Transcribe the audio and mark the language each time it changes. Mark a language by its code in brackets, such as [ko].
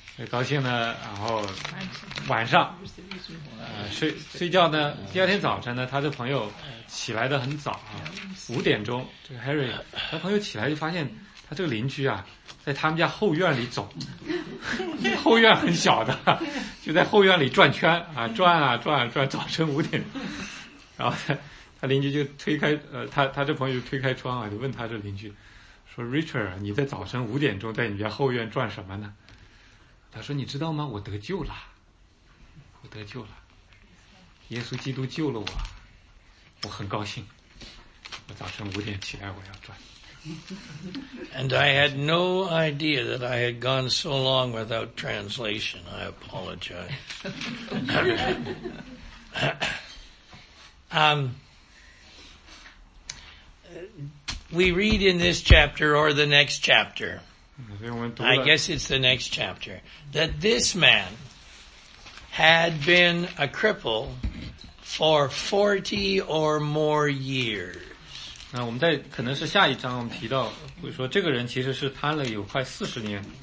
[zh] 高兴呢，然后晚上睡觉呢，第二天早晨呢，他的朋友起来的很早啊，5点钟，这个 Harry 他朋友起来就发现他这个邻居啊，在他们家后院里走，后院很小的，就在后院里转圈啊，转啊转啊转，早晨5点，然后他邻居就推开他这朋友就推开窗啊，就问他这邻居说 ：“Richard， 你在早晨5点钟在你家后院转什么呢？” 他说：“你知道吗？我得救了，我得救了，耶稣基督救了我，我很高兴。我早晨5点起来，我要转。” [en] And I had no idea that I had gone so long without translation. I apologize. We read in this chapter or the next chapter. I guess it's the next chapter. That this man had been a cripple for 40 or more years. [zh] 那我们在可能是下一章我们提到会说这个人其实是瘫了有快40年。